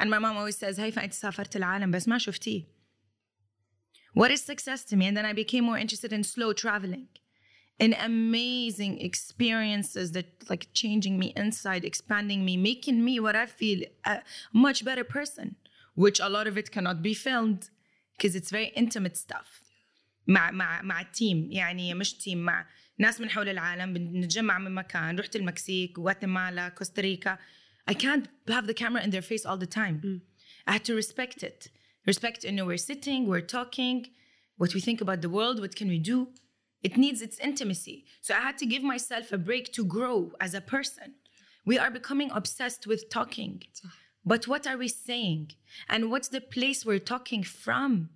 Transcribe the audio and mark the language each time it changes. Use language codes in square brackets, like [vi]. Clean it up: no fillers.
[en] And my mom always says, [ar] هاي فأنت سافرت العالم بس ما شفتي. [en] What is success to me? And then I became more interested in slow traveling and amazing experiences that like changing me inside, expanding me, making me what I feel a much better person, which a lot of it cannot be filmed because it's very intimate stuff. [ar] مع مع مع تيم, يعني مش تيم, مع ناس من حول العالم بنتجمع من مكان. رحت المكسيك, غواتيمالا, كوستاريكا. [en] I can't have the camera in their face all the time. I had to respect it. Respect in we're sitting, we're talking, what we think about the world, what can we do. It needs its intimacy. So I had to give myself a break to grow as a person. We are becoming obsessed with talking. But what are we saying? And what's the place we're talking from?